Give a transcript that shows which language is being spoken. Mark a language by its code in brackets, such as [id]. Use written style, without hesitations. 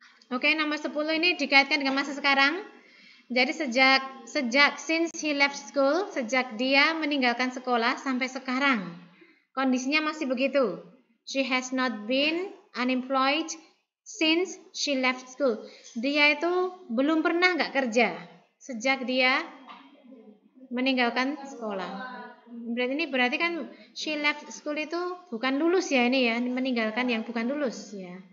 [id] Oke, okay, nomor 10 ini dikaitkan dengan masa sekarang. Jadi sejak [en] since he left school, [id] sejak dia meninggalkan sekolah sampai sekarang. Kondisinya masih begitu. [en] She has not been unemployed since she left school. [id] Dia itu belum pernah enggak kerja sejak dia meninggalkan sekolah. Berarti ini berarti kan [en] she left school [id] itu bukan lulus ya ini ya, meninggalkan yang bukan lulus ya.